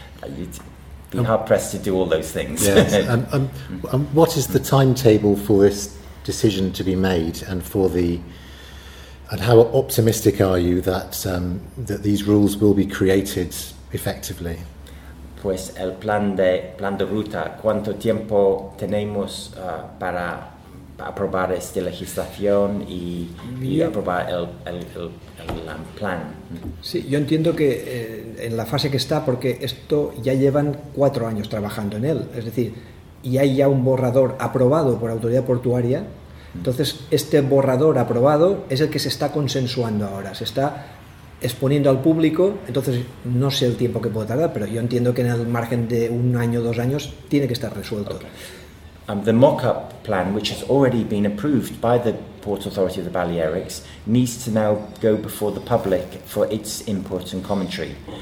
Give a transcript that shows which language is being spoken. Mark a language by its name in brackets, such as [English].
[English] You'd be hard-pressed to do all those things. Yes. What is the timetable for this decision to be made, and for the... And how optimistic are you that that these rules will be created effectively? [Spanish] Pues el plan de ruta, cuánto tiempo tenemos para aprobar esta legislación y aprobar el plan. Sí, yo entiendo que en la fase que está, porque esto ya llevan 4 años trabajando en él, es decir, y hay ya un borrador aprobado por autoridad portuaria. Entonces, este borrador aprobado es el que se está consensuando ahora, se está exponiendo al público. Entonces, no sé el tiempo que puede tardar, pero yo entiendo que en el margen de 1 año, 2 años tiene que estar resuelto. [English] Okay. The mock-up plan, which has already been approved by the Port Authority of the Balearics, needs to now go before the public for its input and commentary.